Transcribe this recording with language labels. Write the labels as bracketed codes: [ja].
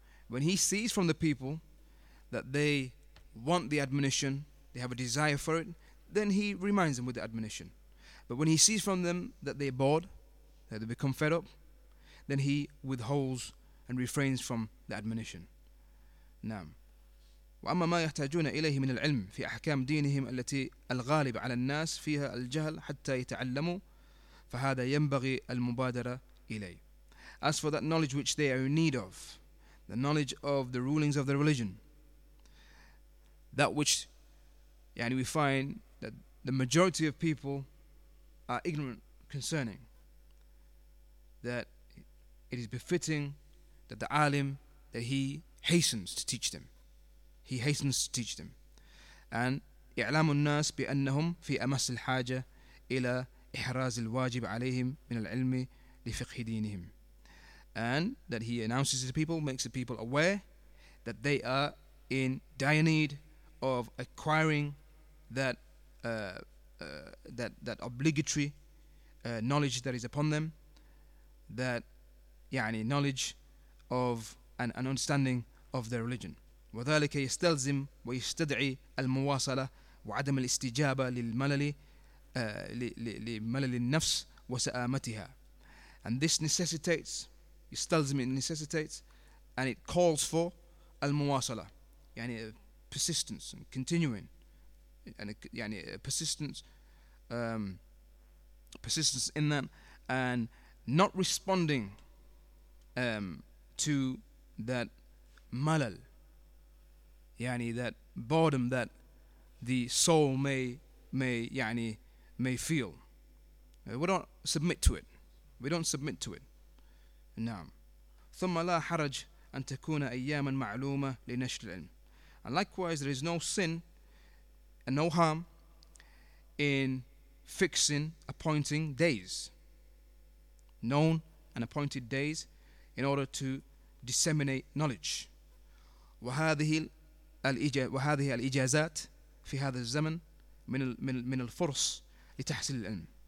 [en] When he sees from the people that they want the admonition, they have a desire for it, then he reminds them with the admonition. But when he sees from them that they're bored, that they become fed up, then he withholds and refrains from the admonition. Naam. [ar] وأما ما يحتاجون إليه من العلم في أحكام دينهم التي الغالب على الناس فيها الجهل حتى يتعلموا فهذا ينبغي المبادرة إليه. [en] As for that knowledge which they are in need of, the knowledge of the rulings of the religion, that which يعني we find that the majority of people are ignorant concerning, that it is befitting that the alim, that he hastens to teach them. He hastens to teach them. [ar] And إعلام الناس بأنهم في أمس الحاجة إلى إحراز الواجب عليهم من العلم لفقه دينهم. [en] And that he announces to the people, makes the people aware that they are in dire need of acquiring that that obligatory knowledge that is upon them, that يعني knowledge of an understanding of their religion. [ar] وذلك يستلزم ويستدعي المواصلة وعدم الاستجابة للملل لملل النفس وسآمتها. [en] And this necessitates, يستلزم, it necessitates, and it calls for المواصلة, يعني persistence and continuing, and يعني persistence, persistence in that, and not responding to that malal, يعني that boredom that the soul may يعني may feel. We don't submit to it. We don't submit to it. نعم. [ar] ثم لا حرج أن تكون أياما معلومة لنشر العلم. [en] And likewise, there is no sin and no harm in fixing, appointing days, known and appointed days, in order to disseminate knowledge. [ar] وهذه الإجازات في هذا الزمن من الفرص لتحصيل العلم.